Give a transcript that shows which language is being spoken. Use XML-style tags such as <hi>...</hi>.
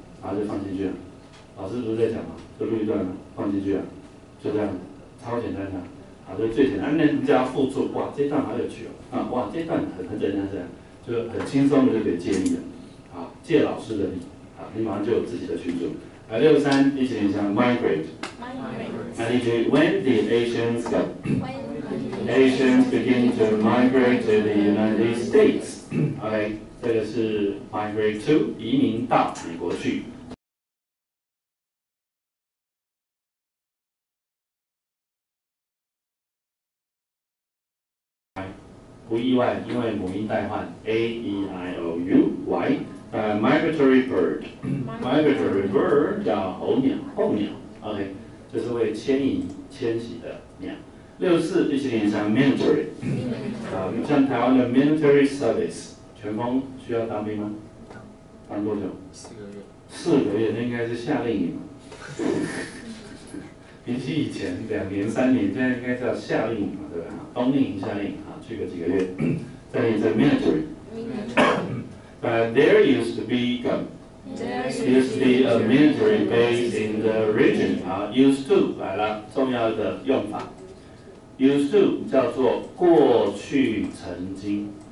<zh>然后就放进去了，老师不是在讲吗？就录一段了，放进去了，就这样，超简单的，啊，就最简单。那你只要附注，哇，这段好有趣哦，啊，哇，这段很简单，这样就很轻松的就可以借力了，啊，借老师的力，啊，你马上就有自己的群组。来，63，一起念一下 migrate。</zh> <en>那 when did Asians go？ Asians begin to migrate to the United States。OK。</en> <zh>这个是</zh> <en>migrate to</en> <zh>移民到美国去。不意外，因为母音代换 A E I O U Y。 Migratory bird， migratory bird 叫候鸟，候鸟。 OK， 这是为迁移迁徙的鸟。六四第四点像 military， 像台湾的 military service， 全封需要当兵吗？当多久？四个月，那应该是夏令营。比起以前两年三年，现在应该叫夏令营嘛，对吧？冬令营、夏令营，去个几个月，再念一次 military。</zh> <en>There used to be a military base in the region.</en> <zh>Used to 来了，重要的用法。Used to 叫做过去曾经。</zh>